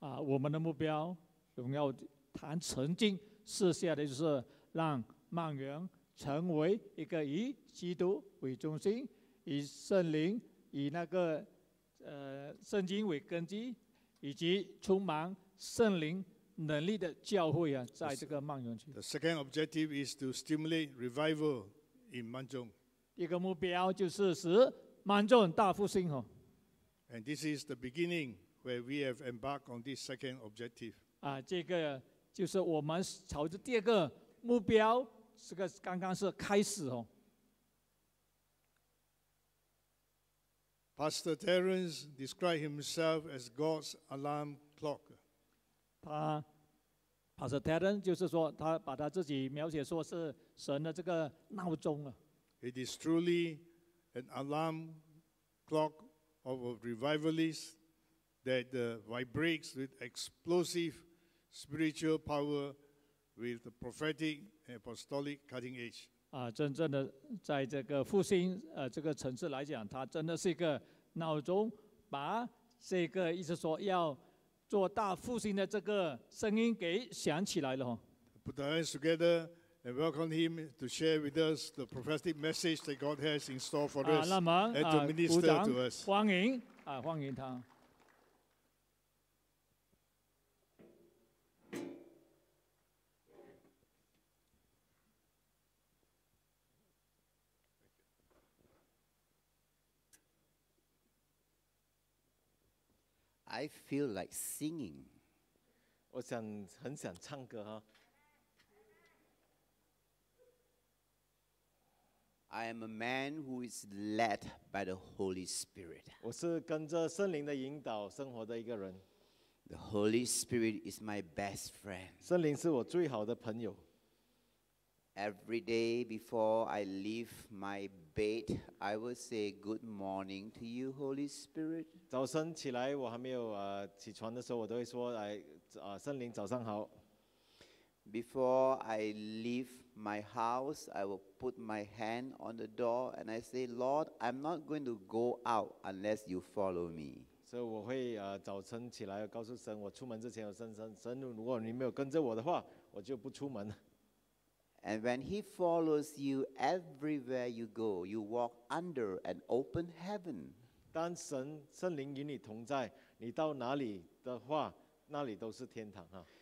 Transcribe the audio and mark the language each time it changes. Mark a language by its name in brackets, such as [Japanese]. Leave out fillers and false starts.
[Chinese] 我们的目标，我们要谈曾经设下的就是。让曼园成为一个以基督为中心，以圣灵，以那个圣经为根基，以及充满圣灵能力的教会啊，在这个曼园区。 [English] The second objective is to stimulate revival in Manjung. [Chinese] 一个目标就是使曼中大复兴哦。 [English] And this is the beginning where we have embarked on this second objective. [Chinese] 这个就是我们朝着第二个。目标是个刚刚是开始哦。 [English] Pastor Terence described himself as God's alarm clock. [Chinese] Pastor Terence 就是说他把他自己描写说是神的这个闹钟啊。 [English] It is truly an alarm clock of a revivalist that vibrates with explosive spiritual power with the prophetic and apostolic cutting edge. [Chinese] 真正的在这个复兴这个层次来讲，它真的是一个脑中把这个意思说要做大复兴的这个声音给响起来了。 [English] Put our hands together and welcome him to share with us the prophetic message that God has in store for us and to minister to us. [Chinese] 欢迎他。 [English] I feel like singing. [Chinese] 我想很想唱歌哈。 [English] I am a man who is led by the Holy Spirit. [Chinese] 我是跟着圣灵的引导生活的一个人。 [English] The Holy Spirit is my best friend. [Chinese] 圣灵是我最好的朋友。 [English] Every day before I leave my bed, I will say good morning to you, Holy Spirit. [Chinese] 早晨起来，我还没有起床的时候，我都会说圣灵早上好。 [English] Before I leave my house, I will put my hand on the door and I say, Lord, I'm not going to go out unless you follow me. [Chinese] 所以我会早晨起来告诉神，我出门之前，神，如果你没有跟着我的话，我就不出门。 [English] And when he follows you everywhere you go, you walk under an open heaven. [Chinese] 当神圣灵与你同在，你到哪里的话，那里都是天堂啊。